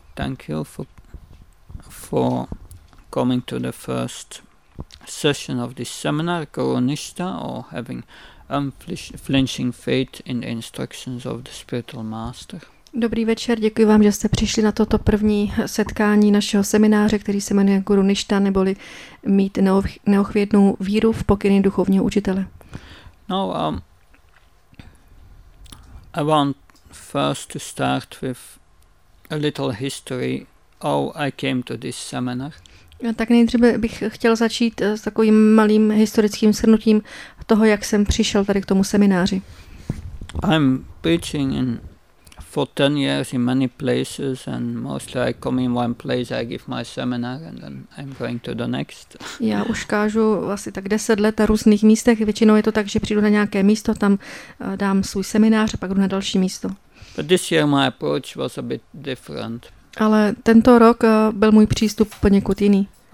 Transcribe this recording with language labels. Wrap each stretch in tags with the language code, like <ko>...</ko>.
<en>Thank you for coming to the first session of this seminar, Guru Nishtha, or having unflinching faith in the instructions of the spiritual master.</en> <cs>Dobrý večer, děkuji vám, že jste přišli na toto první setkání našeho semináře, který se jmenuje Guru Nishtha, neboli mít neochvětnou víru v pokyny duchovního učitele.</cs> <en>No, I want first to start with a little history. Oh, I came to this seminar.</en> <cs>Tak nejdříve bych chtěl začít s takovým malým historickým shrnutím toho, jak jsem přišel tady k tomu semináři.</cs> <en>I'm preaching in for 10 years in many places and mostly I come in one place, I give my seminar and then I'm going to the next.</en> <cs>Já už kážu asi tak 10 let na různých místech. Většinou je to tak, že přijdu na nějaké místo, tam dám svůj seminář a pak jdu na další místo.</cs> <en>But this year my approach was a bit different.</en> <cs>Ale tento rok byl můj přístup poněkud jiný.</cs>